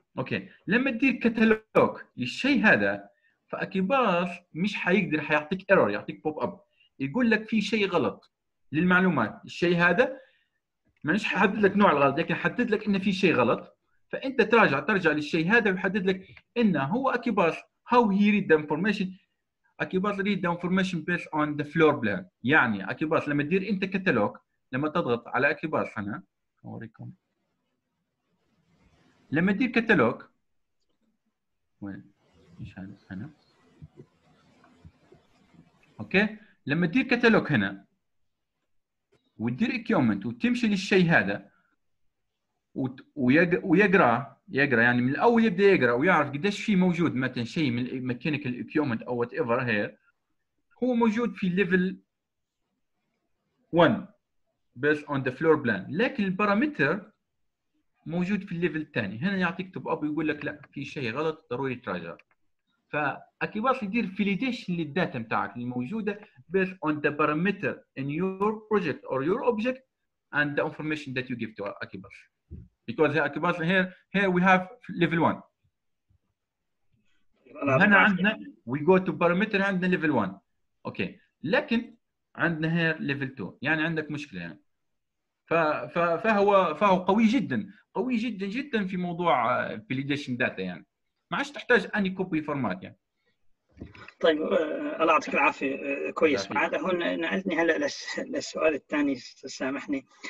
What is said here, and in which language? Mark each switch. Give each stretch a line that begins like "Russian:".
Arabic: اوكي، لما تدير كتالوج للشيء هذا فأكيباس مش حيقدر، حيعطيك ايرور، يعطيك بوب اب يقول لك في شيء غلط للمعلومات. الشيء هذا مش حيحدد لك نوع الغلط، لكن حدد لك ان في شيء غلط، فانت ترجع للشيء هذا ويحدد لك ان هو Akibas
English: how he read the information. Akibas read the information based on the floor plan.
Arabic: يعني Akibas لما تدير انت كتالوج، لما تضغط على Akibas، انا اوريكم لما تدير كتالوج وين ايش هنا. اوكي، لما تدير كتالوج هنا وتدير اكيومنت وتمشي للشيء هذا ويقرأ يعني من الأول يبدأ يقرأ ويعرف قديش فيه موجود مثلا شيء من mechanical equipment أو
English: whatever here،
Arabic: هو موجود في
English: level 1 based on the floor plan،
Arabic: لكن البارامتر موجود في level الثاني. هنا يعطيك top up ويقول لك لا في شيء غلط ضروري تراجع. فأكيباس يدير
English: validation
Arabic: للداتا متاعك الموجودة
English: based on the parameter in your project or your object and the information that you give to Akibas. Because Akibas here we have level 1.
Arabic: هنا عندنا
English: we go to parameter عندنا level 1. Okay.
Arabic: لكن عندنا
English: here level 2.
Arabic: يعني عندك مشكلة فهو قوي جدا في موضوع validation data يعني. ما عادش تحتاج
English: any copy format
Arabic: يعني. طيب الله يعطيك العافيه، كويس. معناته هون نقلتني هلا للسؤال الثاني، سامحني.